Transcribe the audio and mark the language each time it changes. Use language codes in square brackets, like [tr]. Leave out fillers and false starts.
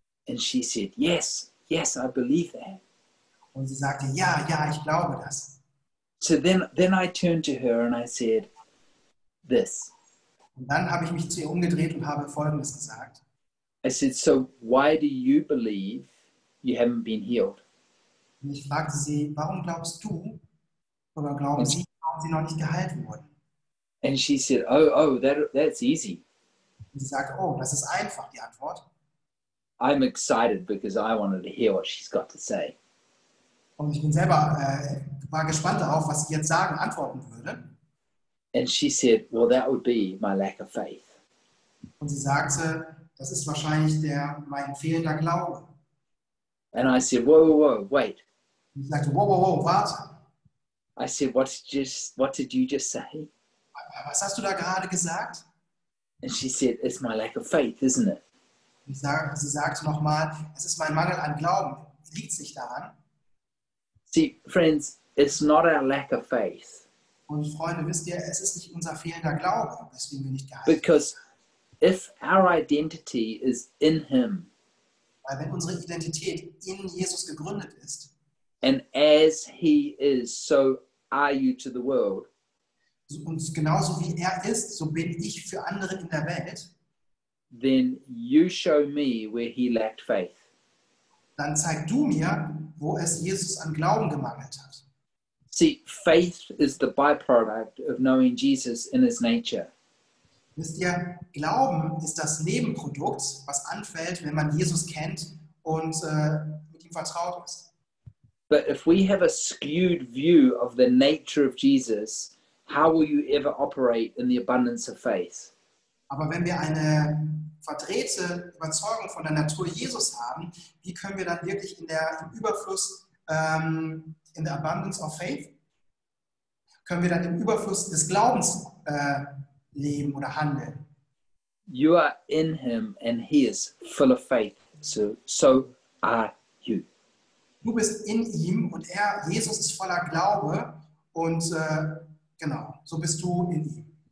[en] And she said, yes, yes, I believe that. [de] Und sie sagte, ja, ja, ich glaube das. [en] So then I turned to her and I said, this. [de] Und dann habe ich mich zu ihr umgedreht und habe Folgendes gesagt. [en] I said, so why do you believe you haven't been healed? [de] Und ich fragte sie, warum glaubst du, oder glauben sie, warum sie noch nicht geheilt wurden? [en] And she said, oh, that's easy. [de] Und sie sagte, oh, das ist einfach, die Antwort. [en] I'm excited because I wanted to hear what she's got to say. [de] Und ich bin selber war gespannt darauf, was sie jetzt sagen, antworten würde. [en] And she said, well, that would be my lack of faith. [de] Und sie sagte, das ist wahrscheinlich mein fehlender Glaube. [en] And I said, whoa, whoa, whoa, wait. [de] Und ich sagte, whoa, whoa, whoa, warte. [en] I said, what did you just say? [de] Was hast du da gerade gesagt? [en] And she said, it's my lack of faith, isn't it? [de] Sie sagte nochmal, es ist mein Mangel an Glauben. Liegt sich daran? [en] See, friends, it's not our lack of faith. [de] Und Freunde, wisst ihr, es ist nicht unser fehlender Glaube, weswegen wir nicht geheilt. [en] Because if our identity is in him, [de] weil wenn unsere Identität in Jesus gegründet ist, [en] and as he is, so are you to the world. [de] Und genauso wie er ist, so bin ich für andere in der Welt. [en] Then you show me where he lacked faith. [de] Dann zeig du mir, wo es Jesus an Glauben gemangelt hat. [en] See, faith is the byproduct of knowing Jesus in his nature. [de] Wisst ihr, Glauben ist das Nebenprodukt, was anfällt, wenn man Jesus kennt und mit ihm vertraut ist. [en] But if we have a skewed view of the nature of Jesus, how will you ever operate in the abundance of faith? [de] Aber wenn wir eine verdrehte Überzeugung von der Natur Jesus haben, wie können wir dann wirklich im Überfluss des Glaubens leben oder handeln? [en] You are in him and he is full of faith, so are you. [de] Du bist in ihm und er, Jesus, ist voller Glaube und genau, so bist du in ihm.